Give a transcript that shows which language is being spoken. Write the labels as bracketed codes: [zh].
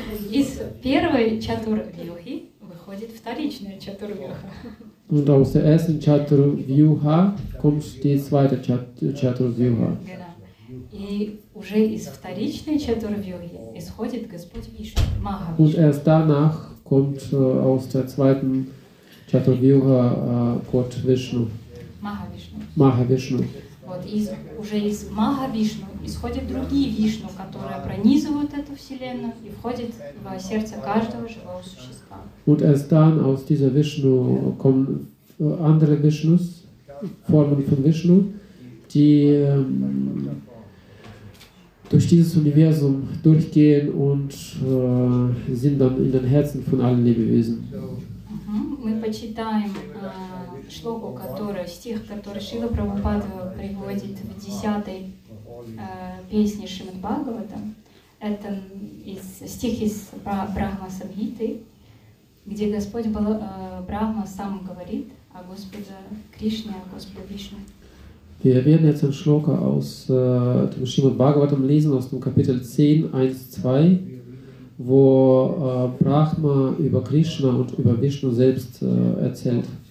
[ru] Из первой Chaturvyuhi выходит вторичная Chaturvyuha. [de] Und aus der ersten Chaturvyuha kommt die zweite Chaturvyuha. [ru] И уже из вторичной Чатурвьюги исходит Господь Вишну, Махавишну. [de] Und erst danach kommt aus der zweiten Чатурвьюга Gott Вишну. [ru] Махавишну. Вот уже из Махавишну исходят другие Вишну, которые пронизывают эту Вселенную и входят в сердце каждого живого существа. [de] Und erst dann aus dieser Вишну kommen andere Вишнус, Formen von Вишну, die durch dieses Universum durchgehen und sind dann in den Herzen von allen Lebewesen. [ru] Мы почитаем шлоку, который стих, который Шрила Прабхупада приводит в 10-й песне Шримад Бхагавата. Это стих из Брахма Самхиты, где Господь Брахма сам говорит о Господе Кришне, о Господе Вишну. [de] Wir werden jetzt einen Schloka aus dem Srimad Bhagavatam lesen, aus dem Kapitel 10, 1, 2, wo Brahma über Krishna und über Vishnu selbst erzählt.